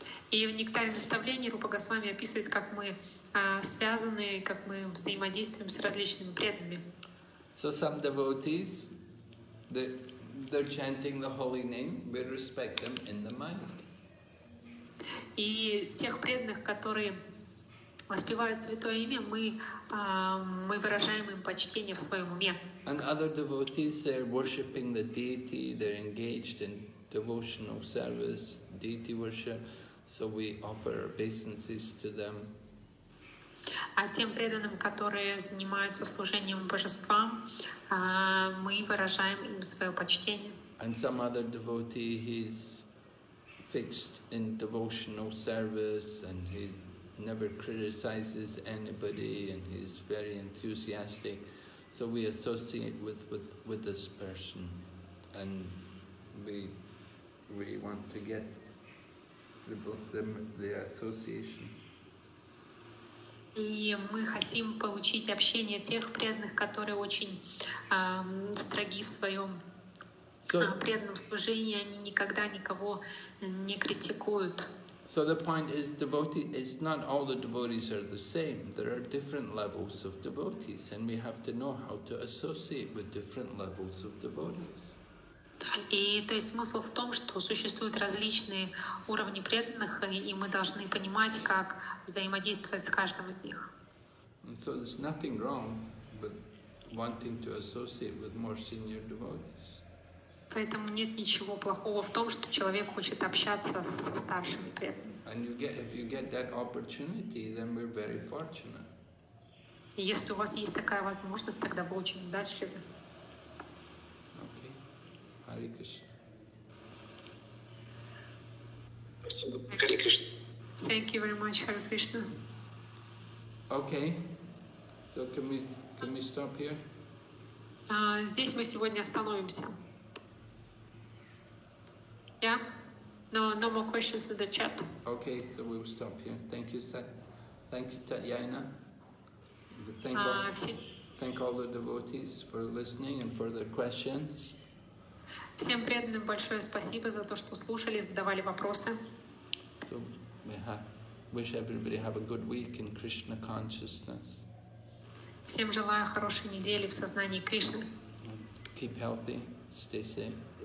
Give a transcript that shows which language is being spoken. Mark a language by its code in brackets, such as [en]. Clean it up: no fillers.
[ru] И в Нектаре наставлений Рупа Госвами описывает, как мы связаны, как мы взаимодействуем с различными преданными. [en] So some devotees, they're chanting the holy name, we respect them in the mind. [ru] И тех преданных, которые воспевают святое имя, мы выражаем им почтение в своем уме. [en] And other devotees, they're worshipping the deity, they're engaged in devotional service, deity worship. So we offer obeisances to them. [ru] А тем преданным, которые занимаются служением божествам, мы выражаем им свое почтение. [en] And some other devotee, he's fixed in devotional service, and he never criticizes anybody, and he's very enthusiastic. So we associate with this person, and we want to get the association. [ru] И мы хотим получить общение тех преданных, которые очень строги в своем преданном служении. Они никогда никого не критикуют. [en] So the point is, devotee is not all the devotees are the same. There are different levels of devotees, and we have to know how to associate with different levels of devotees. [ru] И то есть смысл в том, что существуют различные уровни преданных, и мы должны понимать, как взаимодействовать с каждым из них. [en] And so there's nothing wrong with wanting to associate with more senior devotees. [ru] Поэтому нет ничего плохого в том, что человек хочет общаться со старшими преданными. [en] And if you get that opportunity, then we're very fortunate. [ru] И если у вас есть такая возможность, тогда вы очень удачливы. [en] Hare Krishna. [ru] Спасибо. Hare Krishna. [en] Thank you very much, Hare Krishna. Okay. So can we stop here? [ru] Здесь мы сегодня остановимся. [en] Yeah? No more questions in the chat. Okay, so we'll stop here. Thank you, Tatyana. Thank all the devotees for listening and for their questions. [ru] Всем преданным большое спасибо за то, что слушали, задавали вопросы. [en] So we wish everybody have a good week in Krishna consciousness. [ru] Всем желаю хорошей недели в сознании Кришны. [en] Keep healthy, stay safe.